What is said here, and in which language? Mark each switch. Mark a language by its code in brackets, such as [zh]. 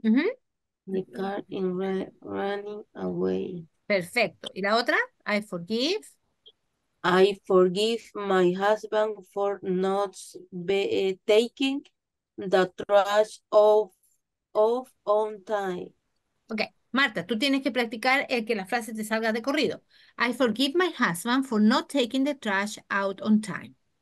[en] the car and running away. [es] Perfecto. ¿Y la otra? [en] I forgive. I forgive my husband for not be taking the trash off on time. [es] Ok, Marta, tú tienes que practicar el que la frase te salga de corrido. [en] I forgive my husband for not taking the trash out on time.